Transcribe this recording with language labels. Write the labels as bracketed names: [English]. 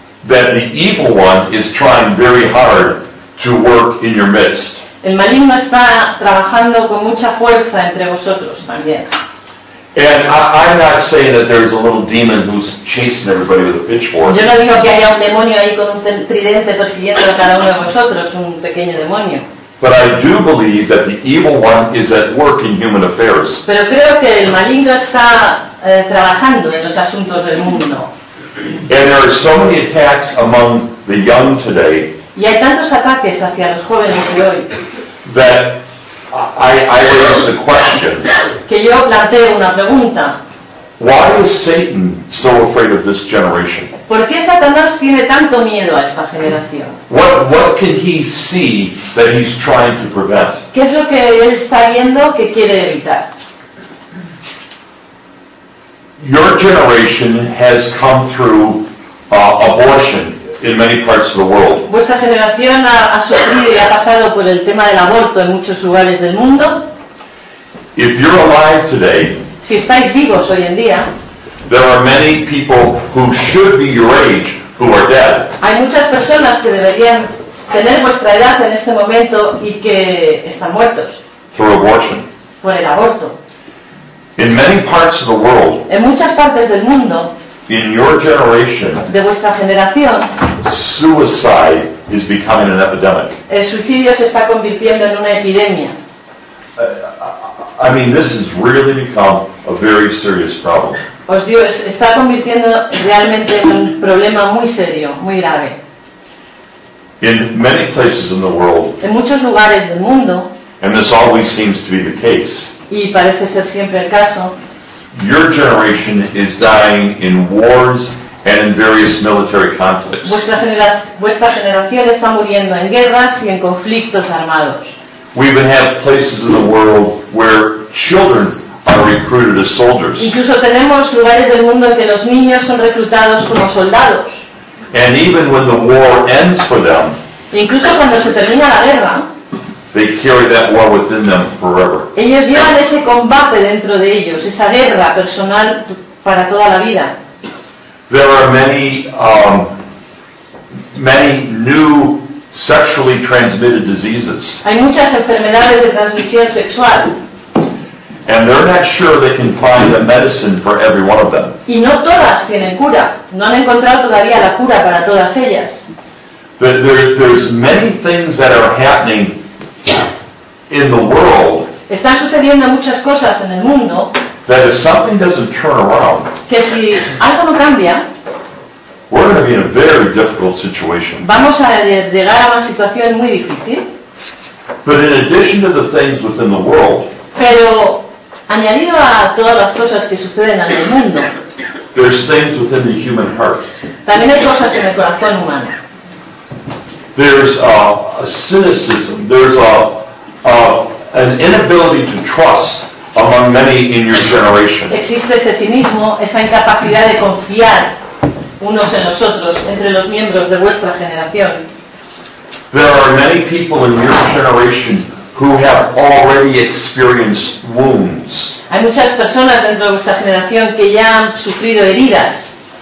[English] that the evil one is trying very hard to work in your midst. [Spanish] El maligno está trabajando con mucha fuerza entre vosotros también. [English] And I'm not saying that there's a little demon who's chasing everybody with a pitchfork. [Spanish] Yo no digo que haya un demonio ahí con un tridente persiguiendo a cada uno de vosotros, un pequeño demonio. [English] But I do believe that the evil one is at work in human affairs. [Spanish] Pero creo que el maligno está trabajando en los asuntos del mundo. [English] And there are so many attacks among the young today. [Spanish] Y hay tantos ataques hacia los jóvenes de hoy. [English] That I raise the question. [Spanish] Que yo planteo una pregunta. [English] Why is Satan so afraid of this generation? [Spanish] ¿Por qué Satanás tiene tanto miedo a esta generación? [English] What can he see that he's trying to prevent? [Spanish] ¿Qué es lo que él está viendo que quiere evitar? [English] Your generation has come through abortion in many parts of the world. [Spanish] Vuestra generación ha sufrido y ha pasado por el tema del aborto en muchos lugares del mundo. [English] If you're alive today, [Spanish] si estáis vivos hoy en día, [English] there are many people who should be your age who are dead. [Spanish] Hay muchas personas que deberían tener vuestra edad en este momento y que están muertos. [English] Through abortion. [Spanish] Por el aborto. [English] In many parts of the world. [Spanish] En muchas partes del mundo. [English] In your generation. [Spanish] De vuestra generación. [English] Suicide is becoming an epidemic. [Spanish] El suicidio se está convirtiendo en una epidemia. [English] I mean, this has really become a very serious problem. [Spanish] Os digo, está convirtiendo realmente en un problema muy serio, muy grave. [English] In many places in the world. [Spanish] En muchos lugares del mundo. [English] And this always seems to be the case. [Spanish] Y parece ser siempre el caso. [English] Your generation is dying in wars and in various military conflicts. [Spanish] Vuestra generación está muriendo en guerras y en conflictos armados. [English] We even have places in the world where children are recruited as soldiers. [Spanish] Incluso tenemos lugares del mundo en que los niños son reclutados como soldados. [English] And even when the war ends for them, [Spanish] incluso cuando se termina la guerra, [English] they carry that war within them forever. [Spanish] Ellos llevan ese combate dentro de ellos, esa guerra personal para toda la vida. [English] There are many, many new sexually transmitted diseases. [Spanish] Hay muchas enfermedades de transmisión sexual. [English] And they're not sure they can find a medicine for every one of them. [Spanish] Y no todas tienen cura. No han encontrado todavía la cura para todas ellas. [English] There's many things that are happening in the world. [Spanish] Están sucediendo muchas cosas en el mundo. [English] That if something doesn't turn around, [Spanish] que si algo no cambia, [English] we're going to be in a very difficult situation. [Spanish] Vamos a llegar a una situación muy difícil. [English] But in addition to the things within the world, [Spanish] pero añadido a todas las cosas que suceden en el mundo, [English] there's things within the human heart. [Spanish] También hay cosas en el corazón humano. [English] There's a cynicism. There's a an inability to trust among many in your generation. [Spanish] Existe ese cinismo, esa incapacidad de confiar unos en los otros, entre los miembros de vuestra generación. [English] There are many people in your generation who have already experienced wounds. [Spanish] Hay muchas personas dentro de vuestra generación que ya han sufrido heridas.